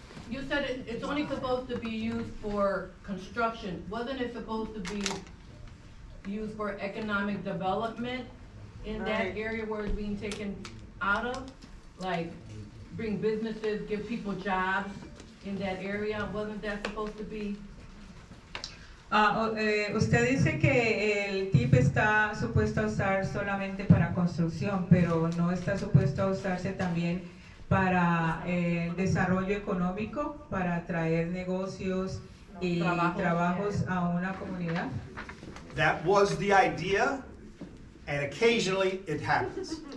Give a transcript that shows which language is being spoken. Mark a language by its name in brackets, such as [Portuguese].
[English] You said it's only supposed to be used for construction. Wasn't it supposed to be used for economic development in that area where it's being taken out of? Like, bring businesses, give people jobs in that area? Wasn't that supposed to be? [Spanish] Usted dice que el TIP está supuesto a usar solamente para construcción, pero no está supuesto a usarse también para el desarrollo económico, para traer negocios y trabajos a una comunidad. [English] That was the idea, and occasionally it happens.